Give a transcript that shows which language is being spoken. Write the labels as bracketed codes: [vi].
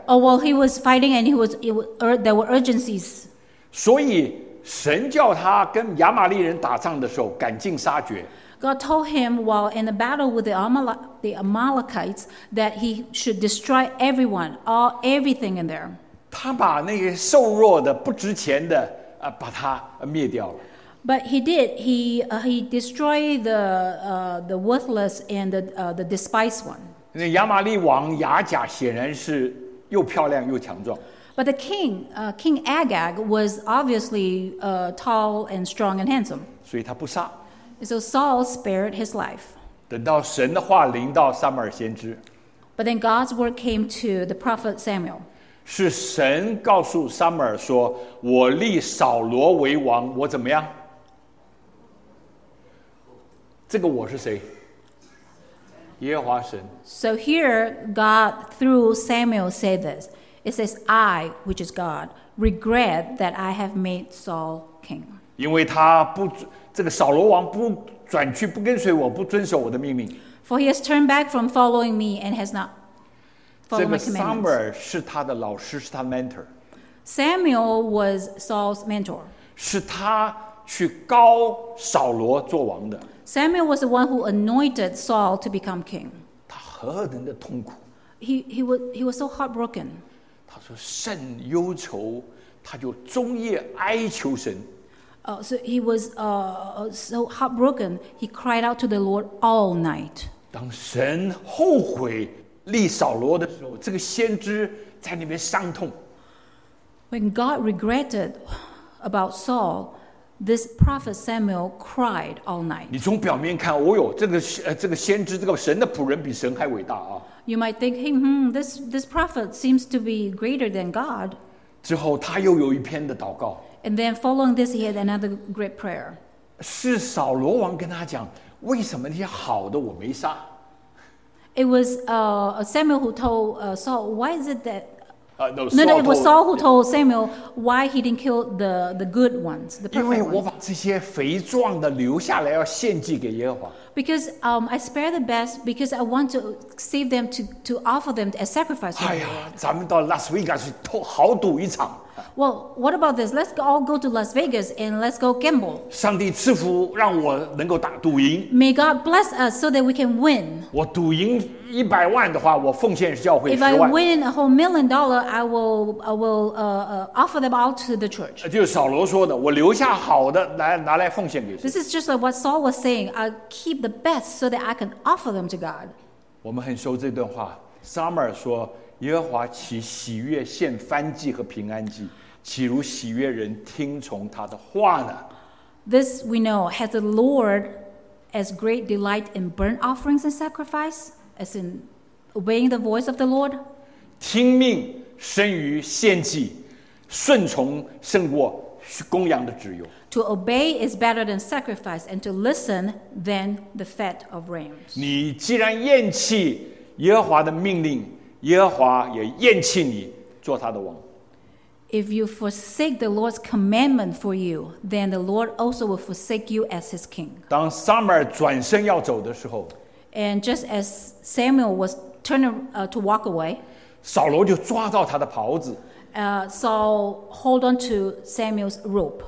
[en] Oh, well, he was fighting, and there were urgencies. [zh] 所以神叫他跟亚玛利人打仗的时候，赶尽杀绝。 [en] God told him while in the battle with the Amalekites that he should destroy everyone, all everything in there. [zh] 他把那些瘦弱的、不值钱的，把他灭掉了。 [en] But he did. He destroyed the worthless and the despised one. [zh] 那亚玛利王亚甲显然是又漂亮又强壮。 [en] But the king, King Agag, was obviously tall and strong and handsome. [zh] 所以他不杀。 [en] So Saul spared his life. [zh] 等到神的话临到撒母耳先知。 [en] But then God's word came to the prophet Samuel. [zh] 是神告诉撒母耳说：“我立扫罗为王，我怎么样？这个我是谁？耶和华神。” [en] So here, God through Samuel said this. It says, "I, which is God, regret that I have made Saul king." [zh] 因为他不，这个扫罗王不转去，不跟随我，不遵守我的命令。 [en] For he has turned back from following me and has not. [zh] 这个 Samuel 是他的老师，是他的 mentor。 [en] Samuel was Saul's mentor。 [zh] 是他去高扫罗做王的。 [en] Samuel was the one who anointed Saul to become king。 [zh] 他何等的痛苦。 [en] He was so heartbroken。 [zh] 他说甚忧愁，他就终夜哀求神。 [en] So he was so heartbroken. He cried out to the Lord all night。 [zh] 当神后悔。立扫罗的时候，这个先知在那边伤痛。 [en] When God regretted about Saul, this prophet Samuel cried all night. [zh] 你从表面看，哦呦，这个先知，这个神的仆人比神还伟大啊。 [en] You might think, this prophet seems to be greater than God. [zh] 之后他又有一篇的祷告。 [en] And then following this, he had another great prayer. [zh] 是扫罗王跟他讲，为什么那些好的我没杀？ [en] It was Samuel who told Saul, why is it that... No, it was Saul who told Samuel why he didn't kill the good ones, the perfect ones. [zh] 因为我把这些肥壮的留下来要献祭给耶和华。 [en] Because I spare the best because I want to save them to offer them as sacrifice. [zh] 哎呀，咱们到 Las Vegas 去豪赌一场。 [en] Well, what about this? Let's all go to Las Vegas and let's go gamble. [zh] 上帝赐福让我能够打赌赢。 [en] May God bless us so that we can win. [zh] 我赌赢一百万的话，我奉献教会十万。 [en] If I win a whole $1 million, I will offer them all to the church. [zh] 就是扫罗说的，我留下好的拿来奉献给神。 [en] This is just like what Saul was saying. I keep the best so that I can offer them to God. [zh] 我们很熟这段话，撒母耳说。耶和华岂喜悦献燔祭和平安祭，岂如喜悦人听从他的话呢？ [en] This we know, has the Lord as great delight in burnt offerings and sacrifice as in obeying the voice of the Lord? [zh] 听命胜于献祭，顺从胜过公羊的脂油。 [en] To obey is better than sacrifice, and to listen than the fat of rams. [zh] 你既然厌弃耶和华的命令，耶和华也厌弃你做他的王。 [en] If you forsake the Lord's commandment for you, then the Lord also will forsake you as his king. [zh] 当撒母耳转身要走的时候， [en] and just as Samuel was turning to walk away, [zh] 扫罗就抓到他的袍子， [en] Saul hold on to Samuel's rope.